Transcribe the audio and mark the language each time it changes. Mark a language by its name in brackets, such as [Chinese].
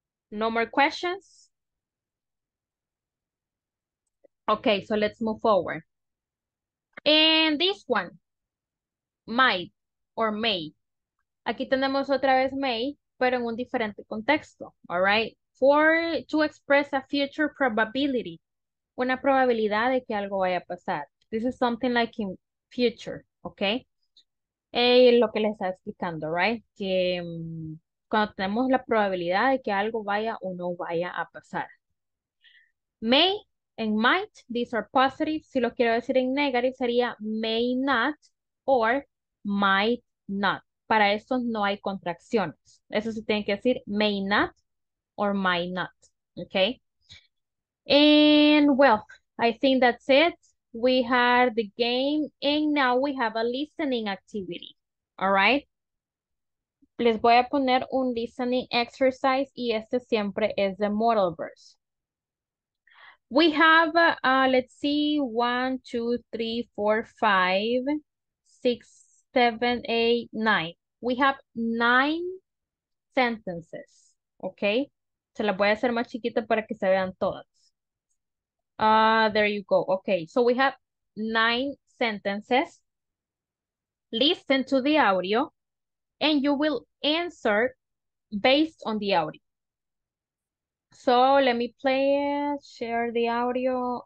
[English] No more questions? Okay, so let's move forward. And this one, might or may. [Spanish] Aquí tenemos otra vez may, pero en un diferente contexto, [English] all right? To express a future probability. [Spanish] Una probabilidad de que algo vaya a pasar. [English] This is something like in future, okay? [Spanish] Lo que les estaba explicando, [English] right? [Spanish] Que cuando tenemos la probabilidad de que algo vaya o no vaya a pasar. [English] May and might, these are positive. [Spanish] Si lo quiero decir en negative, sería [English] may not or might not. [Spanish] Para eso no hay contracciones. Eso se tiene que decir [English] may not or might not, [Spanish] okay? [English] And well, I think that's it. We had the game and now we have a listening activity. All right. [Spanish] Les voy a poner un [English] listening exercise [Spanish] y este siempre es [English] the modal verbs. We have, let's see, 1, 2, 3, 4, 5, 6, 7, 8, 9. We have 9 sentences. Okay. [Spanish] Se las voy a hacer más chiquita para que se vean todas. [English] There you go. Okay, so we have 9 sentences. Listen to the audio and you will answer based on the audio. So let me play it, share the audio.